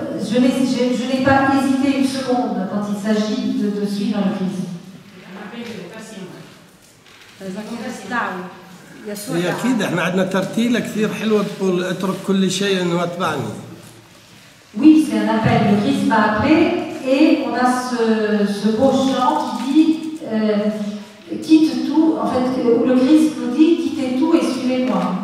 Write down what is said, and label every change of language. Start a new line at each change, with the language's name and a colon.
French: je n'ai pas hésité une seconde quand il s'agit de suivre le Christ. Il
Arabic: هي أكيد إحنا عندنا ترتيلة كثير حلوة تقول اترك كل شيء إنه أتبعني.
French: Oui, c'est un appel. Le Christ m'a appelé et on a ce beau chant qui dit quitte tout. En fait, le Christ nous dit quittez tout et suivez-moi.